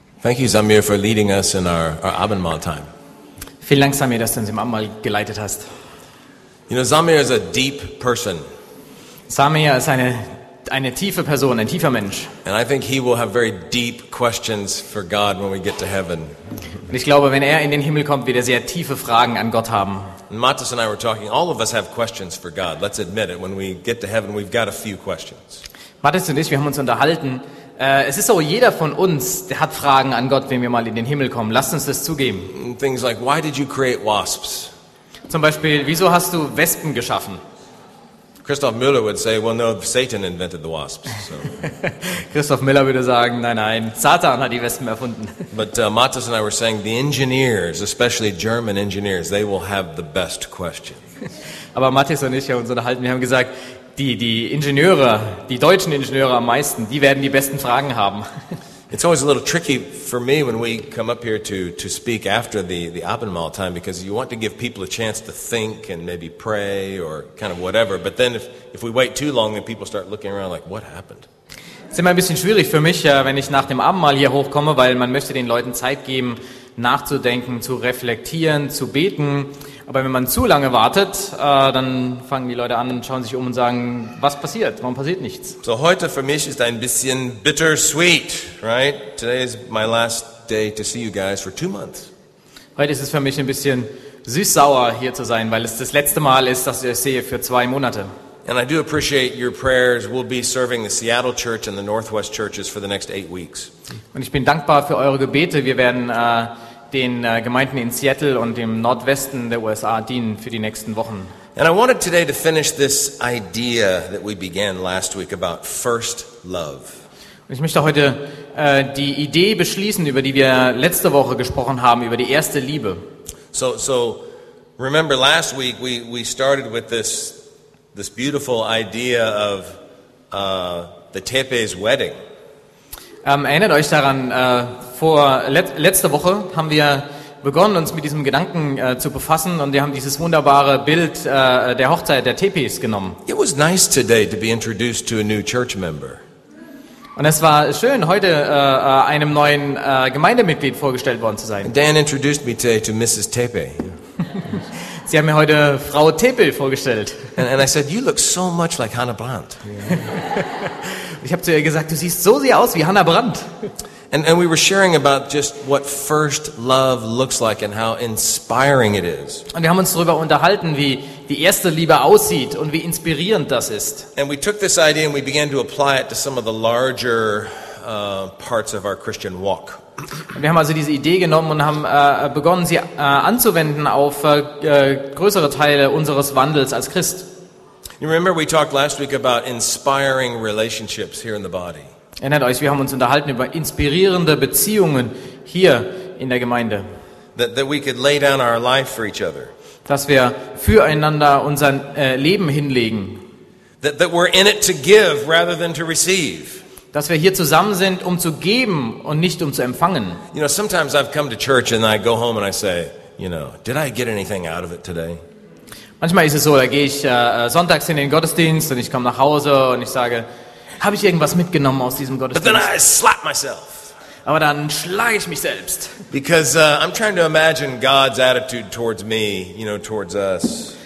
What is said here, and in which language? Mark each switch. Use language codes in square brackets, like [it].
[en] Thank you, Samir, for leading us in our Abendmahl time. [de] Vielen Dank, Samir, dass du uns im Abendmahl geleitet hast. [en] You know, Samir is a deep person. [de] Samir ist eine tiefe Person, ein tiefer Mensch. [en] And I think he will have very deep questions for God when we get to heaven. [de] Und ich glaube, wenn er in den Himmel kommt, wird er sehr tiefe Fragen an Gott haben. [en] Matthias and I were talking. All of us have questions for God. Let's admit it. When we get to heaven, we've got a few questions. [de] Matthias und ich, wir haben uns unterhalten. Es ist so, jeder von uns, der hat Fragen an Gott, wenn wir mal in den Himmel kommen. Lasst uns das zugeben. [en] Things like, why did you create wasps? [de] Zum Beispiel, wieso hast du Wespen geschaffen? [en] Christoph Müller would say, well, no, Satan invented the wasps. So. [de] Christoph Müller würde sagen, nein, Satan hat die Wespen erfunden. [en] But Matthias and I were saying, the engineers, especially German engineers, they will have the best questions. [de] Aber Matthias und ich haben uns unterhalten, wir haben gesagt, die Ingenieure, die deutschen Ingenieure am meisten, die werden die besten Fragen haben. [en] It's always a little tricky for me when we come up here to speak after the Abendmahl time, because you want to give people a chance to think and maybe pray or kind of whatever, but then if we wait too long, then people start looking around like, what happened? [de] Es ist immer ein bisschen schwierig für mich, wenn ich nach dem Abendmahl hier hochkomme, weil man möchte den Leuten Zeit geben, nachzudenken, zu reflektieren, zu beten. Aber wenn man zu lange wartet, dann fangen die Leute an und schauen sich um und sagen, was passiert? Warum passiert nichts? So heute für mich ist ein bisschen [en] bittersweet, right? Today is my last day to see you guys for 2 months. [de] Heute ist es für mich ein bisschen süß-sauer hier zu sein, weil es das letzte Mal ist, dass ich es sehe für 2 Monate. [en] And I do appreciate your prayers. We'll be serving the Seattle Church and the Northwest Churches for the next 8 weeks. [de] Und ich bin dankbar für eure Gebete. Wir werden den Gemeinden in Seattle und im Nordwesten der USA dienen für die nächsten Wochen. [en] And I wanted today to finish this idea that we began last week about first love. [de] Und ich möchte heute die Idee beschließen, über die wir letzte Woche gesprochen haben, über die erste Liebe. [en] So remember last week we started with this beautiful idea of the Tepe's wedding. [de] Erinnert euch daran, letzte Woche haben wir begonnen, uns mit diesem Gedanken zu befassen, und wir haben dieses wunderbare Bild der Hochzeit der Tepes genommen. [en] It was nice today to be introduced to a new church member. [de] Und es war schön, heute einem neuen Gemeindemitglied vorgestellt worden zu sein. [en] Dan introduced me today to Mrs. Tepe. [de] Sie haben mir heute Frau Tepe vorgestellt. [en] And I said, you look so much like Hannah Brandt. [de] Ich habe zu ihr gesagt, du siehst so sehr aus wie Hannah Brandt. [en] And we were sharing about just what first love looks like and how inspiring it is. [de] Und wir haben uns darüber unterhalten, wie die erste Liebe aussieht und wie inspirierend das ist. [en] And we took this idea and we began to apply it to some of the larger parts of our Christian walk. [de] Und wir haben also diese Idee genommen und haben begonnen, sie anzuwenden auf größere Teile unseres Wandels als Christ. [en] You remember we talked last week about inspiring relationships here in the body. [de] Erinnert euch, wir haben uns unterhalten über inspirierende Beziehungen hier in der Gemeinde. [en] That we could lay down our life for each other. [de] Dass wir füreinander unser Leben hinlegen. [en] That we're in it to give rather than to receive. [de] Dass wir hier zusammen sind, um zu geben und nicht um zu empfangen. [en] You know, sometimes I've come to church and I go home and I say, you know, did I get anything out of it today? [de] Manchmal ist es so, da gehe ich sonntags in den Gottesdienst und ich komme nach Hause und ich sage, habe ich irgendwas mitgenommen aus diesem Gottesdienst? [en] But then I slap myself. [de] Aber dann schlage ich mich selbst. [en] Because I'm trying to imagine God's attitude towards me, you know, towards us.